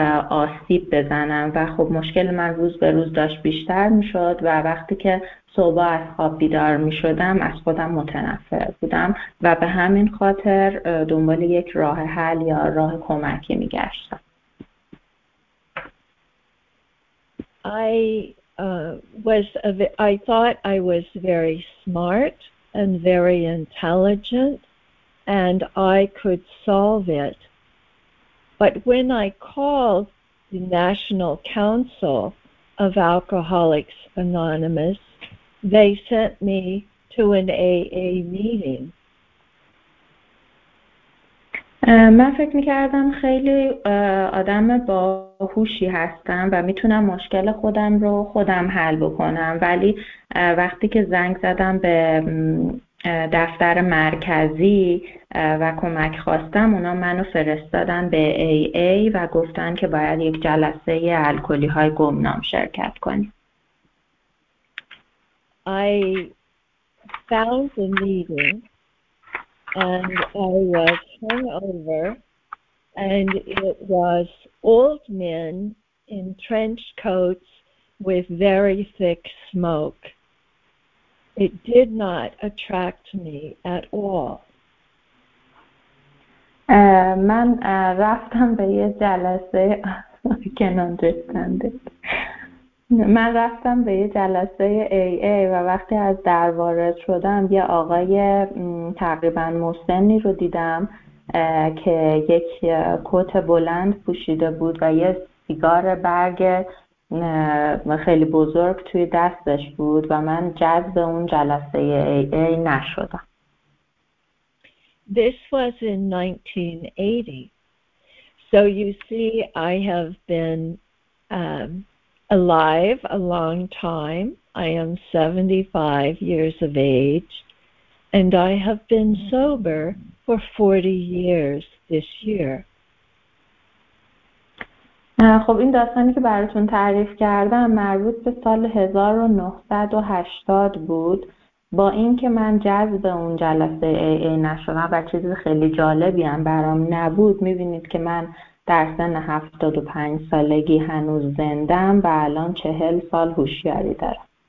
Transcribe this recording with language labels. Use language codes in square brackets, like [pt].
[fa] آسیب بزنم و خب مشکل من روز به روز داشت بیشتر می شد و وقتی که صبح از خواب بیدار می شدم از خودم متنفر بودم و به همین خاطر دنبال یک راه حل یا راه کمکی می گشتم. [en] I thought I was very smart and very intelligent and I could solve it. But when I called the National Council of Alcoholics Anonymous, they sent me to an AA meeting. [fa] من فکر میکردم خیلی آدم باهوشی هستم و میتونم مشکل خودم رو خودم حل بکنم ولی وقتی که زنگ زدم به دفتر مرکزی و کمک خواستم اونا منو فرستادن به AA و گفتن که باید یک جلسه الکلی های گمنام شرکت کنیم. [en] I found a meeting and I was hungover, and it was old men in trench coats with very thick smoke. It did not attract me at all. [fa] من رفتم به یه جلسه [en] I can understand it. [fa] من رفتم به یه جلسه AA و وقتی از در وارد شدم یه آقای تقریبا مسنی رو دیدم که یک کت بلند پوشیده بود و یه سیگار برگ خیلی بزرگ توی دستش بود و من جذب اون جلسه AA نشدم. [en] This was in 1980. So you see I have been alive a long time. I am 75 years of age and I have been sober for 40 years this year. [fa] خب این داستانی که براتون تعریف کردم مربوط به سال 1980 بود. با اینکه من جذب اون جلسه AA نشدم و چیز خیلی جالبی هم برام نبود، می‌بینید که من در سن 75 سالگی هنوز زنده‌ام و الان 40 سال هوشیاری دارم.